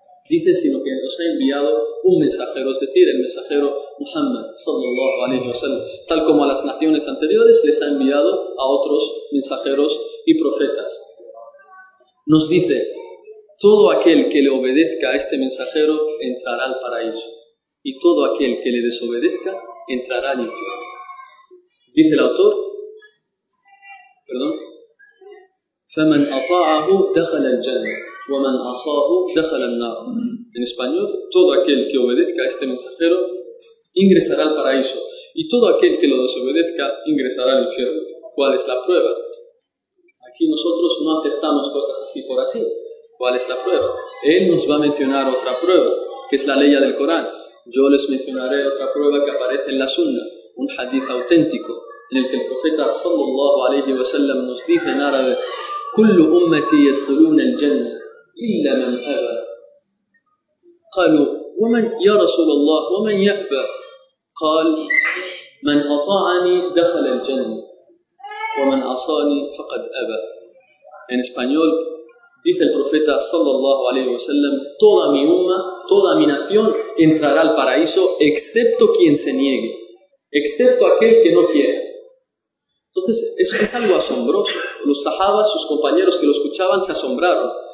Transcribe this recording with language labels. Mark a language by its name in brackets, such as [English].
[Spanish] Dice, sino que nos ha enviado un mensajero, es decir, el mensajero Muhammad, sallallahu alayhi wa sallam, tal como a las naciones anteriores les ha enviado a otros mensajeros y profetas. Nos dice, todo aquel que le obedezca a este mensajero entrará al paraíso, y todo aquel que le desobedezca entrará al infierno. Dice el autor, [Arabic] فَمَنْ أَطَاعَهُ دَخَلَ الْجَنَّةِ وَمَنْ أَصَاهُ دَخَلَ النَّارِ. [Spanish] En español, todo aquel que obedezca a este mensajero ingresará al paraíso, y todo aquel que lo desobedezca ingresará al infierno. ¿Cuál es la prueba? Aquí nosotros no aceptamos cosas así por así. ¿Cuál es la prueba? Él nos va a mencionar otra prueba, que es la ley del Corán. Yo les mencionaré otra prueba que aparece en la Sunna, un hadith auténtico, en el que el profeta sallallahu alayhi wa sallam nos dice en árabe, [Arabic] كُلُّ أُمَّتِي يَدْخُلُونَ الْجَنَّةِ إِلَّا مَنْ أَبَى. قَالُوا, وَمَنْ يَا رَسُولَ اللَّهِ وَمَنْ يَأْبَى. قال من أطاعني دخل الجنة ومن عصاني فقد أبى. [Spanish] En español dice el profeta sallallahu alayhi wa sallam, toda mi umma, toda mi nación entrará al paraíso excepto quien se niegue, excepto aquel que no quiere. Entonces eso es algo asombroso. Los sahabas, sus compañeros que lo escuchaban, se asombraron.